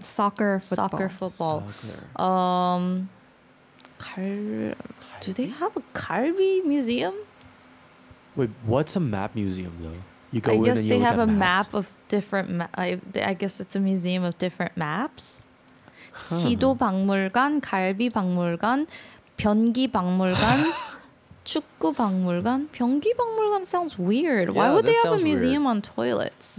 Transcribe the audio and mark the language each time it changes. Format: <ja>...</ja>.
<en>Soccer football. Soccer football. Galbi? Do they have a galbi museum? Wait, what's a map museum, though? You go in and you look at maps. I guess they have a map of different maps. I guess it's a museum of different maps.</en> <ko>지도 박물관, 갈비 박물관, 변기 박물관, 축구 박물관. 변기 박물관</ko> <en>sounds weird. Why would they have a museum on toilets?</en>